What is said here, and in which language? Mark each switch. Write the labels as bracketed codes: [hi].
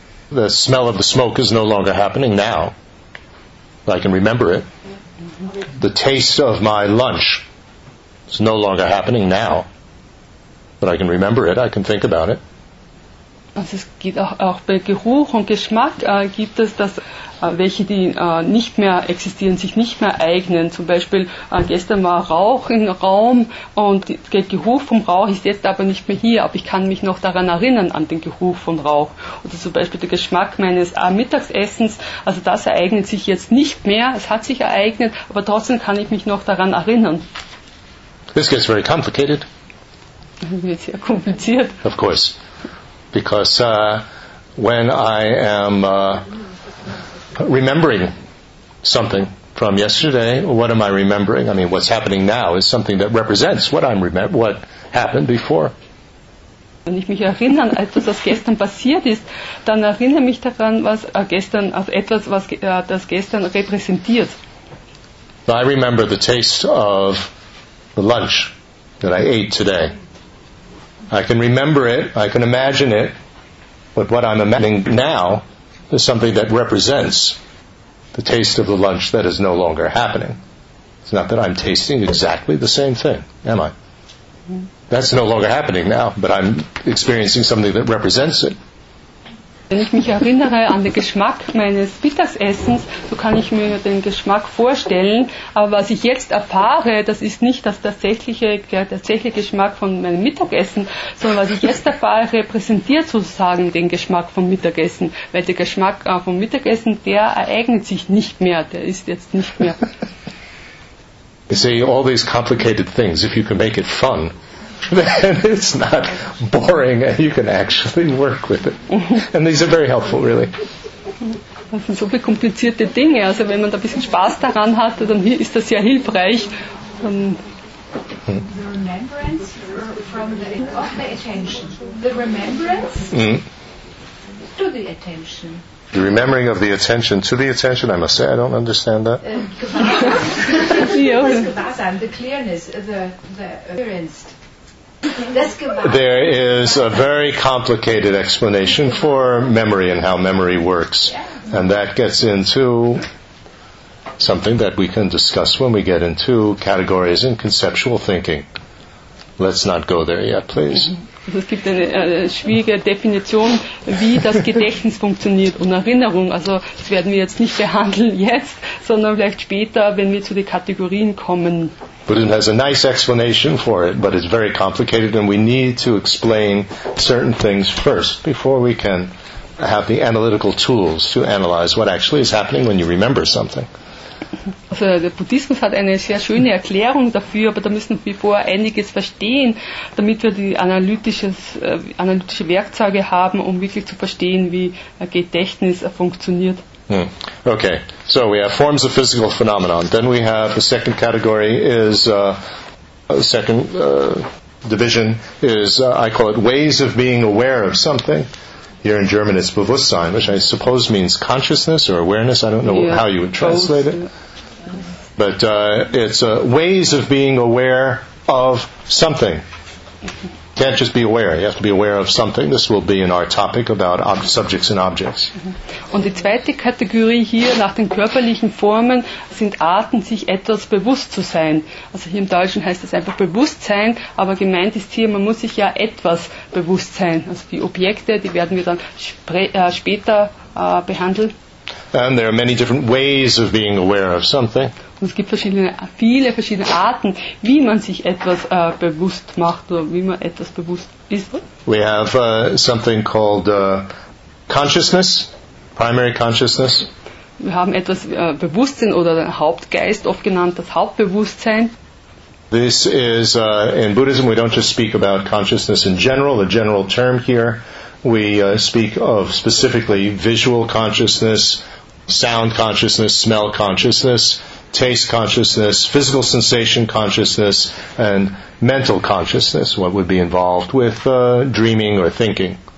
[en] The smell of the smoke is no longer happening now. I can remember it. The taste of my lunch. It's no longer happening now. But I can remember it, I can think about it. [de] Also es geht auch bei Geruch und Geschmack gibt es das, welche die nicht mehr existieren, sich nicht mehr eignen. Zum Beispiel gestern war Rauch im Raum und der Geruch vom Rauch ist jetzt aber nicht mehr hier, aber ich kann mich noch daran erinnern an den Geruch von Rauch. Oder zum Beispiel der Geschmack meines Mittagessens, also das ereignet sich jetzt nicht mehr, es hat sich ereignet, aber trotzdem kann ich mich noch daran erinnern. [en] This gets very complicated. [de] Wird sehr kompliziert. [en] Of course. Because when I am remembering something from yesterday, what am I remembering? I mean, what's happening now is something that represents what happened before. [de] Wenn ich mich erinnere an etwas, was gestern passiert ist, dann erinnere mich daran, was gestern, also etwas, was das gestern repräsentiert. [en] I remember the taste of the lunch that I ate today. I can remember it, I can imagine it, but what I'm imagining now is something that represents the taste of the lunch that is no longer happening. It's not that I'm tasting exactly the same thing, am I? That's no longer happening now, but I'm experiencing something that represents it. [de] Wenn ich mich erinnere an den Geschmack meines Mittagessens, so kann ich mir den Geschmack vorstellen. Aber was ich jetzt erfahre, das ist nicht der tatsächliche Geschmack von meinem Mittagessen, sondern was ich jetzt erfahre, repräsentiert sozusagen den Geschmack vom Mittagessen. Weil der Geschmack vom Mittagessen, der ereignet sich nicht mehr, der ist jetzt nicht mehr. [en] You see, all these complicated things, if you can make it fun, then it's not boring and you can actually work with it. And these are very helpful, really. [de] Das sind so viele komplizierte Dinge. Also wenn man da ein bisschen Spaß daran hat, dann ist das sehr hilfreich. [en] The remembrance of the attention. The remembrance to the attention. The remembering of the attention to the attention, I must say, I don't understand that. The clearness, the appearance. There is a very complicated explanation for memory and how memory works. And that gets into something that we can discuss when we get into categories and conceptual thinking. Let's not go there yet, please. [de] Es gibt eine schwierige Definition, wie das Gedächtnis funktioniert und Erinnerung. Also das werden wir jetzt nicht behandeln jetzt, sondern vielleicht später, wenn wir zu den Kategorien kommen. [en] Buddhism has a nice explanation for it, but it's very complicated, and we need to explain certain things first before we can have the analytical tools to analyze what actually is happening when you remember something. [de] Also der Buddhismus hat eine sehr schöne Erklärung dafür, aber da müssen wir vorher einiges verstehen, damit wir die analytische Werkzeuge haben, um wirklich zu verstehen, wie Gedächtnis funktioniert. [en] Okay, so we have forms of physical phenomenon. Then we have the second category is I call it ways of being aware of something. Here in German it's Bewusstsein, which I suppose means consciousness or awareness. I don't know how you would translate it. But it's ways of being aware of something. Mm-hmm. Can't just be aware. You have to be aware of something. This will be in our topic about subjects and objects. Mm-hmm. [de] Und die zweite Kategorie hier nach den körperlichen Formen sind Arten, sich etwas bewusst zu sein. Also hier im Deutschen heißt das einfach Bewusstsein, aber gemeint ist hier, man muss sich ja etwas bewusst sein. Also die Objekte, die werden wir dann später behandeln. [en] And there are many different ways of being aware of something. [de] Und es gibt viele verschiedene Arten, wie man sich etwas bewusst macht oder wie man etwas bewusst ist. [en] We have something called consciousness, primary consciousness. [de] Wir haben etwas Bewusstsein oder den Hauptgeist, oft genannt das Hauptbewusstsein. [en] This is, in Buddhism we don't just speak about consciousness in general, the general term here. We speak of specifically visual consciousness, sound consciousness, smell consciousness, taste consciousness, physical sensation consciousness, and mental consciousness, what would be involved with dreaming or thinking.